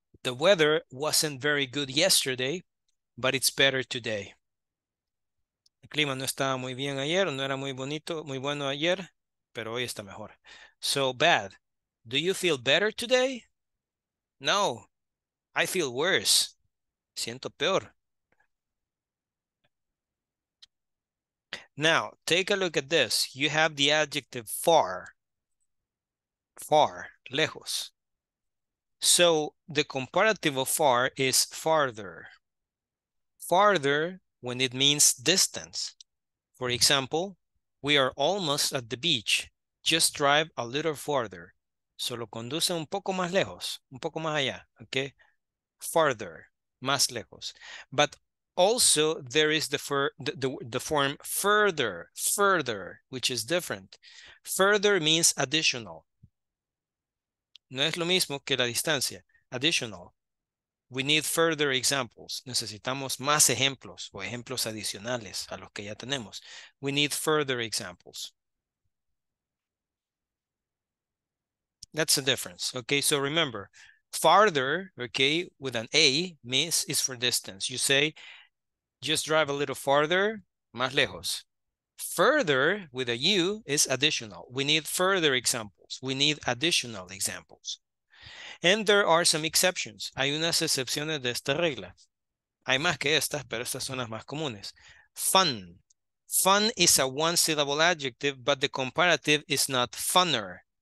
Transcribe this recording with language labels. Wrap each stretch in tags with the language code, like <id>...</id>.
<en>The weather wasn't very good yesterday, but it's better today.</en> <es>El clima no estaba muy bien ayer, no era muy bonito, muy bueno ayer, pero hoy está mejor.</es> <en>So, bad. Do you feel better today? No. I feel worse.</en> <es>Siento peor.</es> <en>Now, take a look at this. You have the adjective far. Far. Lejos. So, the comparative of far is farther. Farther when it means distance. For example, we are almost at the beach. Just drive a little farther.</en> <es>Solo conduce un poco más lejos, un poco más allá, okay? Farther, más lejos.</es> <en>But also there is the form further, further, which is different. Further means additional.</en> <es>No es lo mismo que la distancia,</es> <en>additional. We need further examples.</en> <es>Necesitamos más ejemplos o ejemplos adicionales a los que ya tenemos.</es> <en>We need further examples. That's the difference. Okay, so remember, farther, okay, with an A, means is for distance. You say, just drive a little farther,</en> <es>más lejos.</es> <en>Further, with a U, is additional. We need further examples. We need additional examples. And there are some exceptions.</en> <es>Hay unas excepciones de esta regla. Hay más que estas, pero estas son las más comunes.</es> <en>Fun. Fun is a one-syllable adjective, but the comparative is not funner.</en>